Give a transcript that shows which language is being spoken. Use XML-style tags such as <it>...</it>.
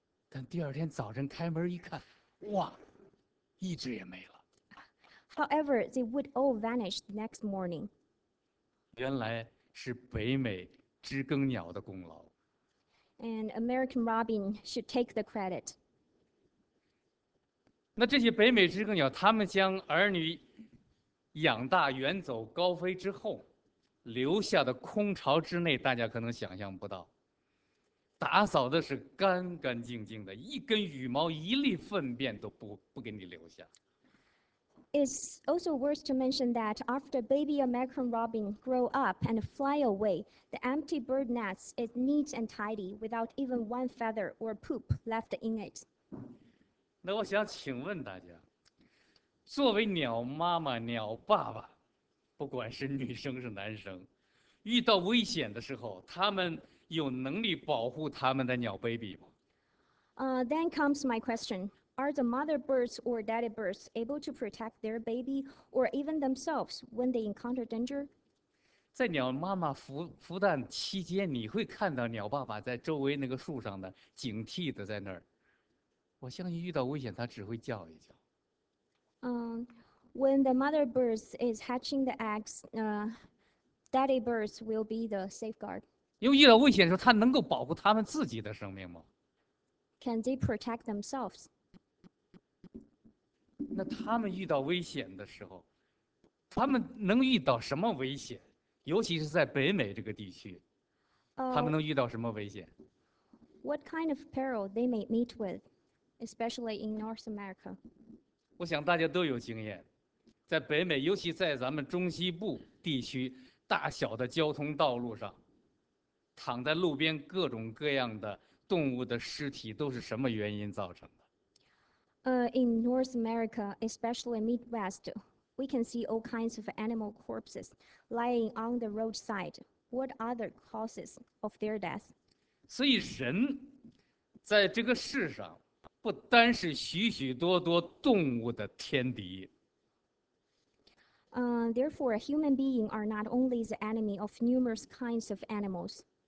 <zh>但第二天早晨开门一看，哇，一只也没了。</zh> <en>However, they would all vanish the next morning.</en> <zh>原来是北美知更鸟的功劳。</zh> <en>And American robin should take the credit.</en> <zh>那这些北美知更鸟，它们将儿女养大、远走高飞之后，留下的空巢之内，大家可能想象不到，打扫的是干干净净的，一根羽毛、一粒粪便都不给你留下。</zh> <en>It's also worth to mention that after baby American robin grow up and fly away, the empty bird nest is neat and tidy without even one feather or poop left in it.</en> <zh>那我想请问大家，作为鸟妈妈、鸟爸爸，不管是女生是男生，遇到危险的时候，他们有能力保护他们的鸟 baby 吗？</zh> <en>Then comes my question. Are the mother birds or daddy birds able to protect their baby or even themselves when they encounter danger?</en> <zh>在鸟妈妈孵蛋期间，你会看到鸟爸爸在周围那个树上的警惕的在那儿。我相信遇到危险，它只会叫一叫。</zh> <en>When the mother birds is hatching the eggs, daddy birds will be the safeguard.</en> <zh>因为遇到危险的时候，它能够保护它们自己的生命吗？</zh> <en>Can they protect themselves?</en> <zh>那他们遇到危险的时候，他们能遇到什么危险？尤其是在北美这个地区，他们能遇到什么危险？</zh> <en>What kind of peril they may meet with, especially in North America?</en> <zh>我想大家都有经验，在北美，尤其在咱们中西部地区，大小的交通道路上，躺在路边各种各样的动物的尸体，都是什么原因造成的？</zh> <en>In North America, especially Midwest, we can see all kinds of animal corpses lying on the roadside. What other causes of their death?</en> <zh>所以人在这个世上，不单是许许多多动物的天敌。</zh> <en>Therefore, human beings are not only the enemy of numerous kinds of animals.</en>